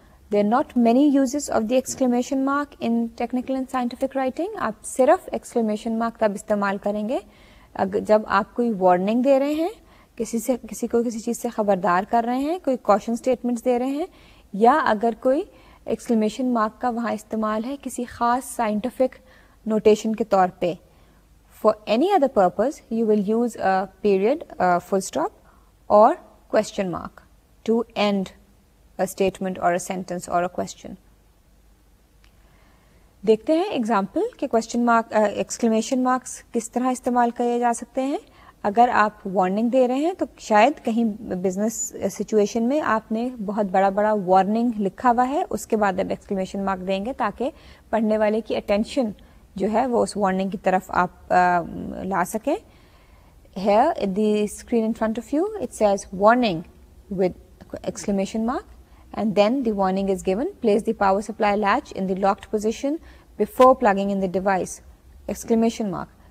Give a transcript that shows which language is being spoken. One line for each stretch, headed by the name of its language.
English: There are not many uses of the exclamation mark in technical and scientific writing.
Urdu: آپ صرف exclamation mark تب استعمال کریں گے جب آپ کوئی warning دے رہے ہیں, کسی سے کسی کو کسی چیز سے خبردار کر رہے ہیں, کوئی کوشن اسٹیٹمنٹس دے رہے ہیں, یا اگر کوئی ایکسکلیمیشن مارک کا وہاں استعمال ہے کسی خاص سائنٹیفک نوٹیشن کے طور پہ.
English: For any other purpose you will use a period full stop or question mark to end a statement or a sentence or a question.
Urdu: دیکھتے ہیں ایگزامپل کہ کوشچن مارک ایکسکلیمیشن مارکس کس طرح استعمال کیے جا سکتے ہیں. اگر آپ وارننگ دے رہے ہیں تو شاید کہیں بزنس سچویشن میں آپ نے بہت بڑا بڑا وارننگ لکھا ہوا ہے, اس کے بعد آپ ایکسکلیمیشن مارک دیں گے تاکہ پڑھنے والے کی اٹینشن جو ہے وہ اس وارننگ کی طرف آپ لا سکیں.
English: Here the screen in front of you it says warning with exclamation mark and then the warning is given, place the power supply latch in the locked position before plugging in the device exclamation mark.